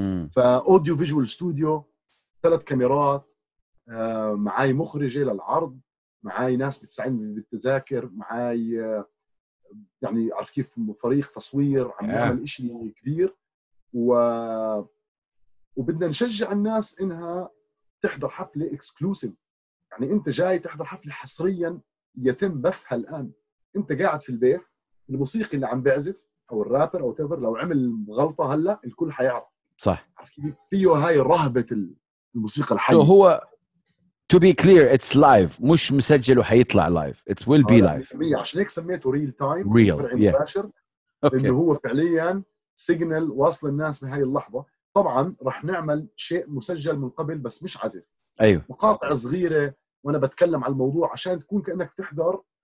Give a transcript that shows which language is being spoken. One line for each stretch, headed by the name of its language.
Arabic: فأوديو فيجوال استوديو ثلاث كاميرات معاي مخرجة للعرض معاي ناس بتساعدني بالتذاكر معاي يعني عارف كيف فريق تصوير عم يعمل إشي كبير وبدنا نشجع الناس إنها تحضر حفلة إكسكلوسيف يعني أنت جاي تحضر حفلة حصريا يتم بثها الآن. أنت قاعد في البيت الموسيقي اللي عم بيعزف أو الرابر أو تيفر لو عمل غلطة هلا الكل حيعرف صح عارف كيف فيه هاي رهبة الموسيقى الحية. هو
English: To be clear, it's live.
Arabic: مش مسجل وحيطلع
English: live. It will be live.
Arabic: عشان هيك سميته
English: real time. Real.
Arabic: مباشر.
English: Okay.
Arabic: إنه هو فعلياً signal واصل الناس بهاي اللحظة. طبعاً رح نعمل شيء مسجل من قبل بس مش عزف. أيوة. مقاطع صغيرة وأنا بتكلم على الموضوع عشان تكون كأنك تحضر